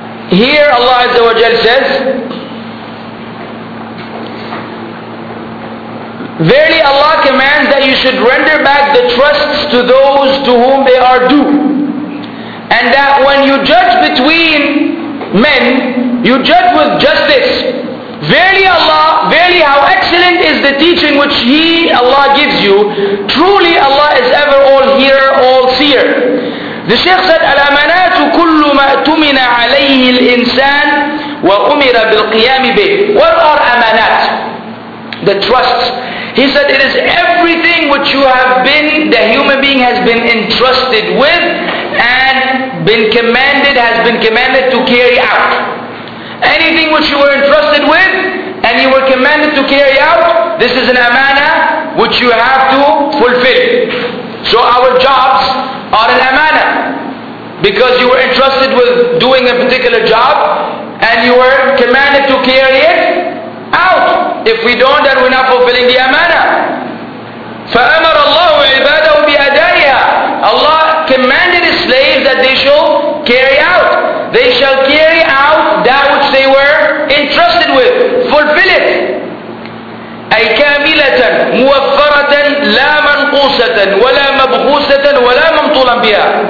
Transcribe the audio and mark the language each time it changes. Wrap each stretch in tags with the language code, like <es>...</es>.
<en>Here Allah Azza wa Jal says, verily Allah commands that you should render back the trusts to those to whom they are due. And that when you judge between men, you judge with justice. Verily Allah, verily how excellent is the teaching which He, Allah, gives you. Truly Allah is ever all hearer, all seer. The Shaykh said,</en> <ar>الأمانات كل ما تمن عليه الإنسان وأمر بالقيام به.</ar> <en>What are amanat? The trusts. He said, it is everything which you have been, the human being has been entrusted with and been commanded, has been commanded to carry out. Anything which you were entrusted with and you were commanded to carry out, this is an amana which you have to fulfill. So our jobs are an amana. Because you were entrusted with doing a particular job and you were commanded to carry it out. If we don't, then we're not fulfilling the amana.</en> <ar>فَأَمَرَ اللَّهُ عِبَادَهُ بِأَدَائِهَا.</ar> <en>Allah commanded His slaves that they shall carry out. They shall carry out that which they were entrusted with. Fulfill it.</en> <ar>أي كاملة موفرة لا منقوصة ولا مبغوصة ولا ممطولا بها.</ar>